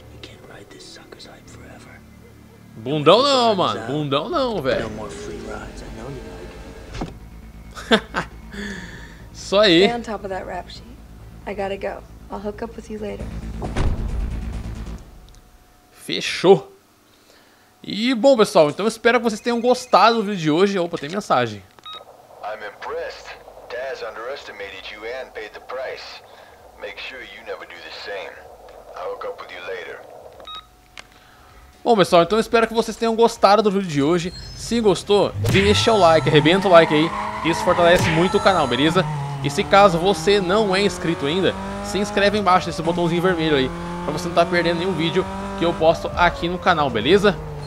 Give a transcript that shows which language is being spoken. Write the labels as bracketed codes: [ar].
[en] You can't ride this sucker's hype forever. [pt] Bundão não, mano. Out, bundão não, velho. [en] No more free rides, I know you like it. [pt] Só aí. [en] Stay on top of that rap sheet. I gotta go. I'll hook up with you later. [pt] Fechou. E bom, pessoal, então eu espero que vocês tenham gostado do vídeo de hoje. Opa, tem mensagem. [en] I'm impressed. Taz underestimated you and paid the price. Make sure you never do the same. I'll hook up with you later. [pt] Bom, pessoal, então eu espero que vocês tenham gostado do vídeo de hoje. Se gostou, deixa o like, arrebenta o like aí. Isso fortalece muito o canal, beleza? E se caso você não é inscrito ainda, se inscreve embaixo nesse botãozinho vermelho aí, pra você não estar perdendo nenhum vídeo que eu posto aqui no canal, beleza?